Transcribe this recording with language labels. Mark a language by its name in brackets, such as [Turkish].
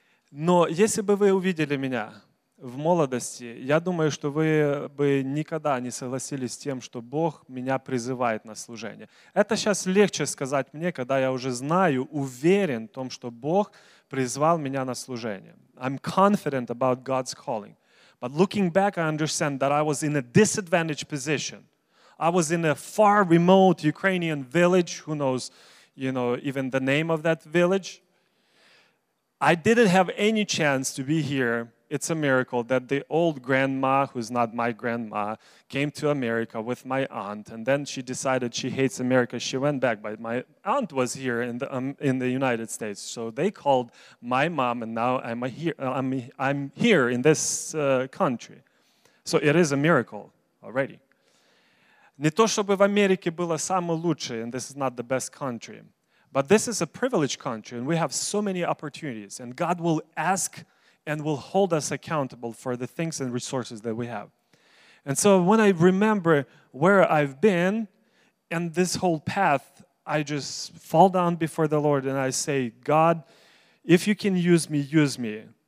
[Russian] Но если бы вы увидели меня в молодости, я думаю, что вы бы никогда не согласились с тем, что Бог меня призывает на служение. Это сейчас легче сказать мне, когда я уже знаю, уверен в том, что Бог призвал меня на служение. [English] I'm confident about God's calling. But looking back, I understand that I was in a disadvantaged position. I was in a far remote Ukrainian village. Who knows, you know, even the name of that village? I didn't have any chance to be here. It's a miracle that the old grandma, who's not my grandma, came to America with my aunt, and then she decided she hates America. She went back, but my aunt was here in the United States. So they called my mom, and now I'm here in this country. So it is a miracle already. [Russian] Не то чтобы в Америке было самое лучшее, [English] and this is not the best country. But this is a privileged country, and we have so many opportunities. And God will ask and will hold us accountable for the things and resources that we have. And so when I remember where I've been and this whole path, I just fall down before the Lord and I say, God, if you can use me, use me.